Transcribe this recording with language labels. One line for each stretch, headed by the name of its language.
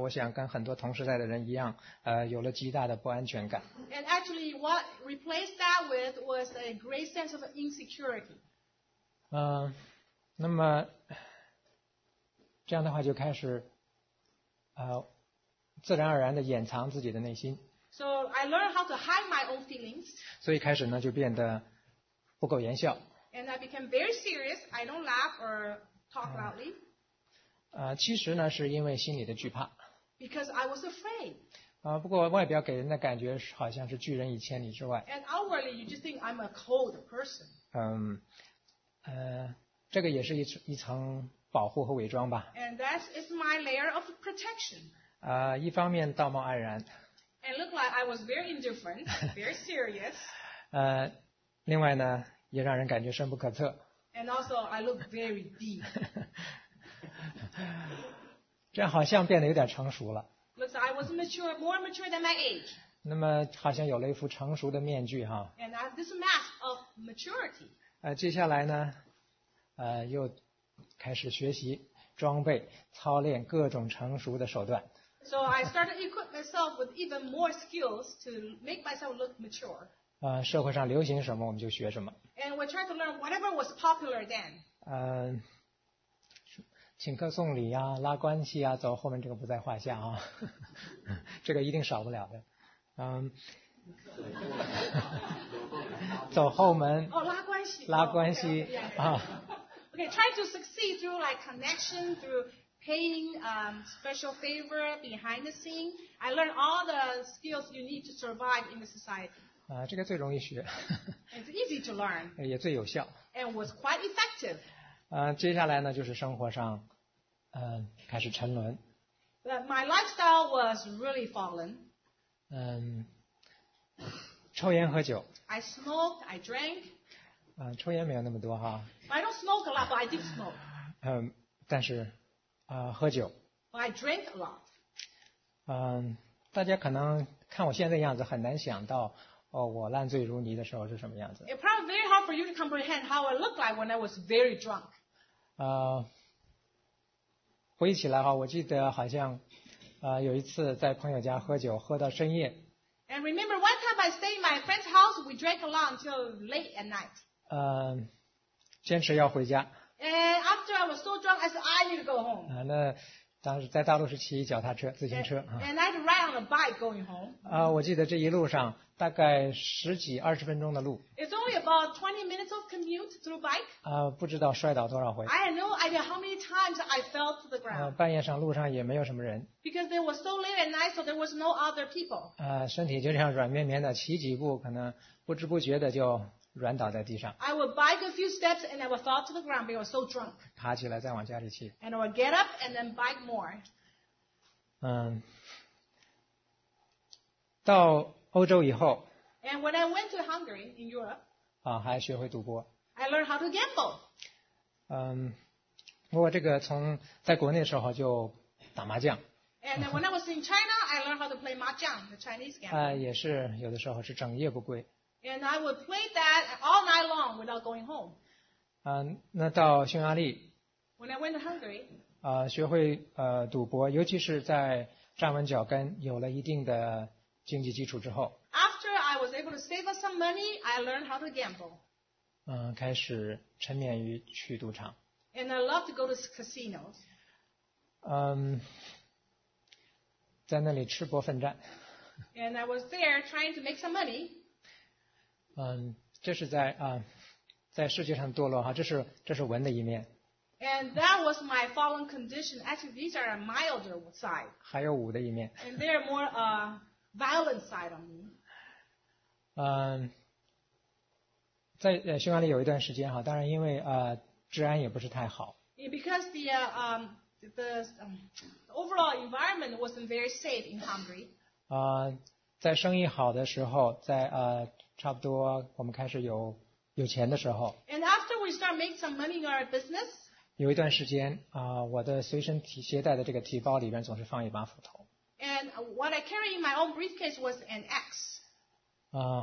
Chinese: 我想跟很多同时代的人一样，有了极大的不安全感。
English: And actually, what replaced that with was a great sense of insecurity.
Chinese: 那么这样的话就开始，自然而然地掩藏自己的内心。
English: So I learned how to hide my own feelings.
Chinese: 所以开始呢就变得不苟言笑。
English: And I became very serious. I don't laugh or talk loudly.
Chinese: 其实呢是因为心里的惧怕。
English: Because I was afraid.
Chinese: 不过外表给人的感觉好像是拒人一千里之外。
English: And outwardly, you just think I'm a cold person.
Chinese: 这个也是一层保护和伪装吧。
English: And that is my layer of protection.
Chinese: 一方面道貌岸然。
English: And look like I was very indifferent, very serious.
Chinese: 另外呢，也让人感觉深不可测。
English: And also, I look very deep.
Chinese: 这好像变得有点成熟了。
English: Looks like I was mature, more mature than my age.
Chinese: 那么好像有了一副成熟的面具哈。
English: And I have this mask of maturity.
Chinese: 接下来呢，又开始学习装备，操练各种成熟的手段。
English: So I started equip myself with even more skills to make myself look mature.
Chinese: 社会上流行什么我们就学什么。
English: And we tried to learn whatever was popular then.
Chinese: 请客送礼啊，拉关系啊，走后面这个不在话下啊，这个一定少不了的。走后门。哦，拉关系。拉关系啊。
English: Okay, try to succeed through like connection, through paying special favor behind the scene. I learned all the skills you need to survive in the society.
Chinese: 这个最容易学。
English: It's easy to learn.
Chinese: 也最有效。
English: And was quite effective.
Chinese: 接下来呢，就是生活上，开始沉沦。
English: My lifestyle was really fallen.
Chinese: 抽烟喝酒。
English: I smoked. I drank.
Chinese: 抽烟没有那么多哈。
English: I don't smoke a lot, but I did smoke.
Chinese: 但是，喝酒。
English: I drank a lot.
Chinese: 大家可能看我现在的样子，很难想到哦，我烂醉如泥的时候是什么样子。
English: It's probably very hard for you to comprehend how I looked like when I was very drunk.
Chinese: 回忆起来哈，我记得好像，有一次在朋友家喝酒，喝到深夜。
English: And remember one time I stayed in my friend's house, we drank a lot until late at night.
Chinese: 坚持要回家。
English: And after I was so drunk, I said, I need to go home.
Chinese: 那当时在大陆是骑脚踏车，自行车。
English: And I'd ride on a bike going home.
Chinese: 我记得这一路上大概十几二十分钟的路。
English: It's only about 20 minutes of commute through bike.
Chinese: 不知道摔倒多少回。
English: I had no idea how many times I fell to the ground.
Chinese: 半夜上路上也没有什么人。
English: Because there was so late at night, so there was no other people.
Chinese: 身体就这样软绵绵的，骑几步可能不知不觉的就软倒在地上。
English: I would bike a few steps and I would fall to the ground because I was so drunk.
Chinese: 爬起来再往家里去。
English: And I would get up and then bike more.
Chinese: 到欧洲以后。
English: And when I went to Hungary in Europe.
Chinese: 还学会赌博。
English: I learned how to gamble.
Chinese: 不过这个从在国内的时候就打麻将。
English: And then when I was in China, I learned how to play mahjong, the Chinese game.
Chinese: 也是有的时候是整夜不归。
English: And I would play that all night long without going home.
Chinese: 那到匈牙利。
English: When I went to Hungary.
Chinese: 学会赌博，尤其是在站稳脚跟，有了一定的经济基础之后。
English: After I was able to save up some money, I learned how to gamble.
Chinese: 开始沉湎于去赌场。
English: And I love to go to casinos.
Chinese: 在那里吃播奋战。
English: And I was there trying to make some money.
Chinese: 这是在在世界上堕落哈，这是文的一面。
English: And that was my fallen condition. Actually, these are a milder side.
Chinese: 还有武的一面。
English: And there are more violent side of me.
Chinese: 在匈牙利有一段时间哈，当然因为治安也不是太好。
English: Because the overall environment wasn't very safe in Hungary.
Chinese: 在生意好的时候，在差不多我们开始有钱的时候。
English: And after we start making some money in our business,
Chinese: 有一段时间我的随身携带的这个提包里边总是放一把斧头。
English: And what I carry in my own briefcase was an axe.